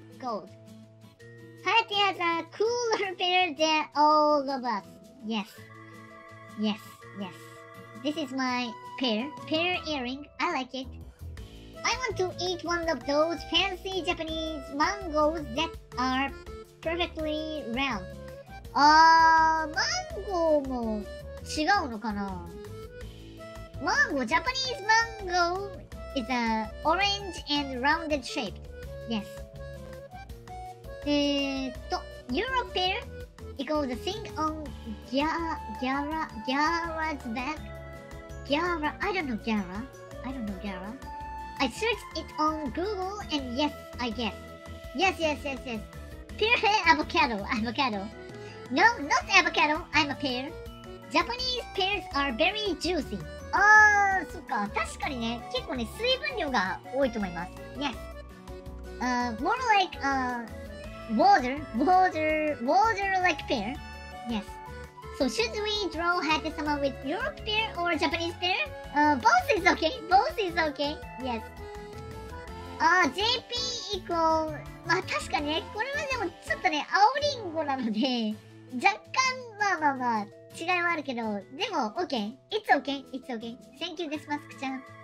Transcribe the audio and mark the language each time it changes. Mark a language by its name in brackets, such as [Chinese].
[English] Hayate has a cooler pear than all of us. Yes. This is my pear earring. I like it. I want to eat one of those fancy Japanese mangoes that are perfectly round. [Japanese] マンゴーも違うのかな？ [English] マンゴー、Japanese mango is a orange and rounded shape. Yes. Europe pear equals a thing on Gyara's back. I don't know Gyara. I searched it on Google and yes, I guess. Yes. Pear avocado. No, not avocado, I'm a pear. Japanese pears are very juicy. [Japanese] ああ、そっか。確かにね、結構ね、水分量が多いと思います。 [English] Yes. More like water-like pear. Yes. So should we draw Hayate-sama with Europe pear or Japanese pear? Both is okay. Yes. [Japanese] JP 以降、まあ確かね、これはでもちょっとね、青リンゴなので、若干、まあ、違いはあるけど、でも、OK。 [English] It's OK。 Thank you, this mask ちゃん。